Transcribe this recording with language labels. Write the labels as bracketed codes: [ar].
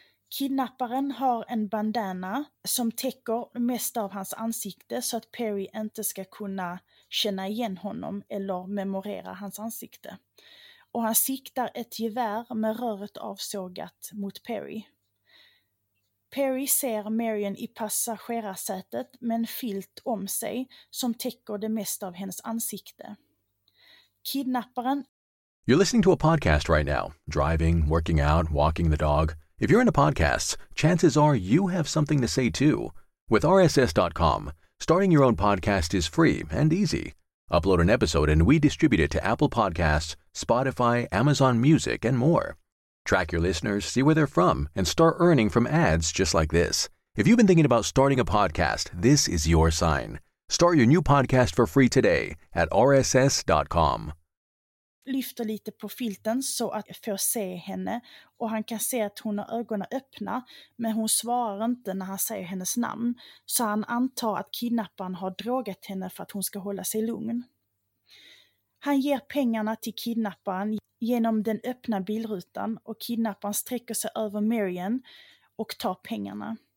[sv] Kidnapparen har en bandana som täcker mest av hans ansikte så att Perry inte ska kunna känna igen honom eller memorera hans ansikte. Och han siktar ett gevär med röret avsågat mot Perry. Perry ser Marianne i passagerarsätet med en filt om sig som täcker det mesta av hennes ansikte. Kidnapparen. [en] You're listening to a podcast right now. Driving, working out, walking the dog. If you're into podcasts, chances are you have something to say too. With RSS.com, starting your own podcast is free and easy. Upload an episode and we distribute it to Apple Podcasts, Spotify, Amazon Music, and more. Track your listeners, see where they're from, and start earning from ads just like this. If you've been thinking about starting a podcast, this is your sign. Start your new podcast for free today at rss.com. [sv] Lyfter lite på filten så att jag får se henne och han kan se att hon har ögonen öppna men hon svarar inte när han säger hennes namn så han antar att kidnapparen har drogat henne för att hon ska hålla sig lugn. Han ger pengarna till kidnapparen genom den öppna bilrutan och kidnapparen sträcker sig över Marianne och tar pengarna.